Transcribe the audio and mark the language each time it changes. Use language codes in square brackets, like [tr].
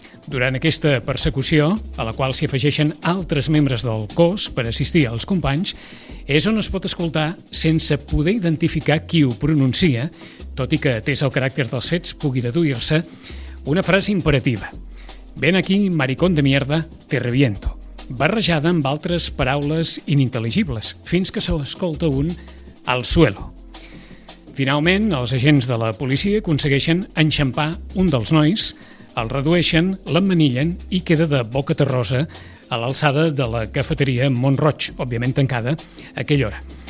[ca] Durant aquesta persecució, a la qual s'hi afegeixen altres membres del cos per assistir als companys, és on es pot escoltar sense poder identificar qui ho pronuncia, tot i que atès el caràcter dels fets pugui deduir-se, una frase imperativa. [es] Ven aquí, maricón de mierda, te reviento. [ca] Barrejada amb altres paraules inintel·ligibles, fins que s'escolta un [es] al suelo. [ca] Finalment, els agents de la policia aconsegueixen enxampar un dels nois, el redueixen, l'emmanillen i queda de boca terrosa a l'alçada de la cafeteria Mont-roig, òbviament tancada, aquella hora.